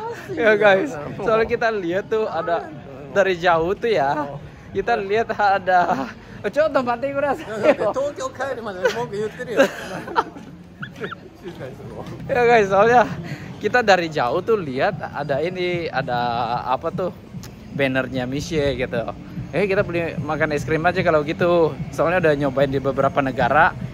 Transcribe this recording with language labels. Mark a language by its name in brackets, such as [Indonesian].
[Indonesian] Yeah guys, soalnya kita lihat tuh ada dari jauh tuh ya. Kita lihat ada. [Japanese] ちょっと待ってください。東京帰るまで文句言ってるよ。 [Indonesian] Ya guys, soalnya kita dari jauh tuh lihat ada ini, ada apa tuh bannernya misye gitu. Kita beli makan es krim aja kalau gitu. Soalnya udah nyobain di beberapa negara.